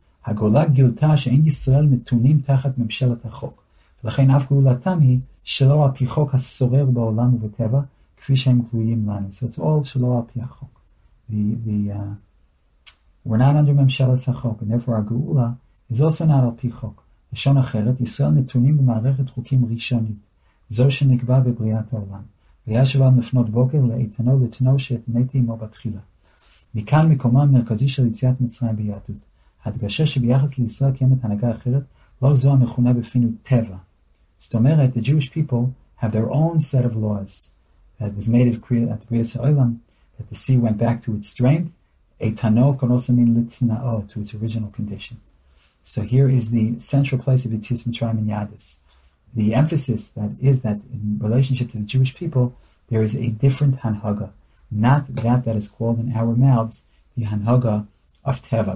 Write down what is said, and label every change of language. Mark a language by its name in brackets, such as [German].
[Hebrew] הגאולה גילתה שאין ישראל נתונים תחת ממשלת החוק. ולכן אף גאולתם היא, שלא על פי חוק הסורר בעולם ובטבע, כפי שהם גלויים לנו. [English] So it's all [Hebrew] שלא על פי החוק. [English] We're not under [Hebrew] ממשלת החוק, [English] and therefore הגאולה is also not [Hebrew] על פי חוק. לשון אחרת, ישראל נתונים במערכת חוקים ראשונית, זו שנקבע בבריאת העולם. וישב על נפנות בוקר לאיתנו לתנו שאתניתי עמו בתחילה. מכאן מקומה המרכזי של יציאת מצרים ביהדות. הדגשה שביחס לישראל קיימת הנהגה אחרת, לא זו המכונה בפינו טבע. זאת אומרת, [English] the Jewish people have their own set of laws that was made at the Bris HaOlam, that the sea went back to its strength, etano can also mean litna'o, to its original condition. So here is the central place of Yetzias Mitzrayim and Yadus. The emphasis that is that in relationship to the Jewish people, there is a different hanhaga, not that is called in our mouths, the hanhaga of teva.